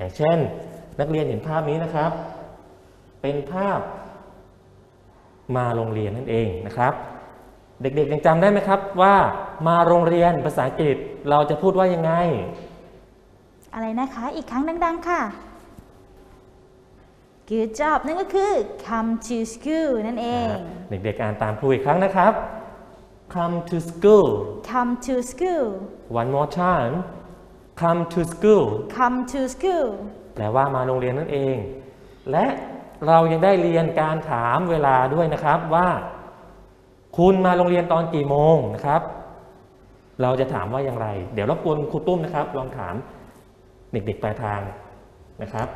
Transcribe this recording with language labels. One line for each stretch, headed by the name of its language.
Thai: ย่างเช่นนักเรียนเห็นภาพนี้นะครับเป็นภาพมาโรงเรียนนั่นเองนะครับเด็กๆยังจำได้ไหมครับว่ามาโรงเรียนภาษาอังกฤษเราจะพูดว่ายังไง อะไรนะคะอีกครั้งดังๆค่ะ
English: Good job
Thai: นั่นก็คือ
English: come to school
Thai: นั่นเอง เด็กๆอ่านตามครูอีกครั้งนะครับ
English: come to school come to school one more timecome to school come to school
Thai: แปลว่ามาโรงเรียนนั่นเองและเรายังได้เรียนการถามเวลาด้วยนะครับว่าคุณมาโรงเรียนตอนกี่โมงนะครับเราจะถามว่าอย่างไรเดี๋ยวรบกวนครูตุ้มนะครับลองถามเด็กๆปลายทางนะครับ